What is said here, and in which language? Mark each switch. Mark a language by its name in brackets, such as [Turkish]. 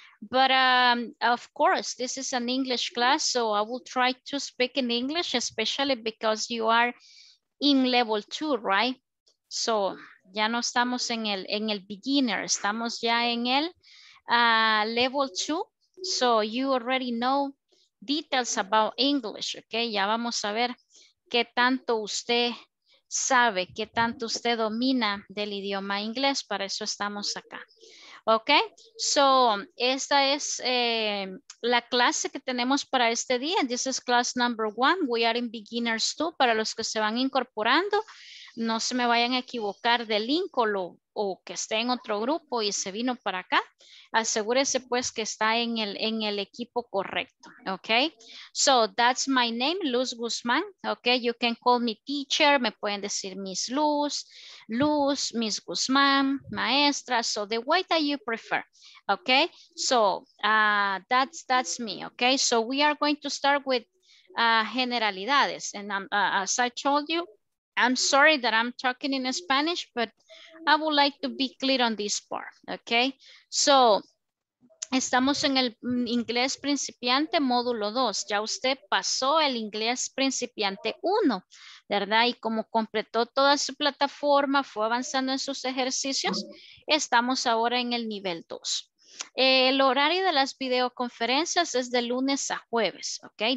[English] But of course, this is an English class, so I will try to speak in English, especially because you are in level two, right? [Spanish] So ya no estamos en el beginner. Estamos ya en el level two. [English] So you already know details about English, okay? [Spanish] Ya vamos a ver qué tanto usted sabe, qué tanto usted domina del idioma inglés. Para eso estamos acá, okay? So esta es la clase que tenemos para este día. [English] This is class number one. We are in beginners two. [Spanish] Para los que se van incorporando, no se me vayan a equivocar del link o que esté en otro grupo y se vino para acá, asegúrese pues que está en el equipo correcto, ok? [English] So that's my name, Luz Guzmán, ok? You can call me teacher, [Spanish] me pueden decir [English] Miss Luz, Luz, Miss Guzmán, maestra, so the way that you prefer, ok? So that's me, ok? So we are going to start with generalidades, and as I told you, I'm sorry that I'm talking in Spanish, but I would like to be clear on this part, okay? [Spanish] So, estamos en el inglés principiante módulo 2. Ya usted pasó el inglés principiante 1, ¿verdad? Y como completó toda su plataforma, fue avanzando en sus ejercicios, estamos ahora en el nivel 2. El horario de las videoconferencias es de lunes a jueves, ¿ok?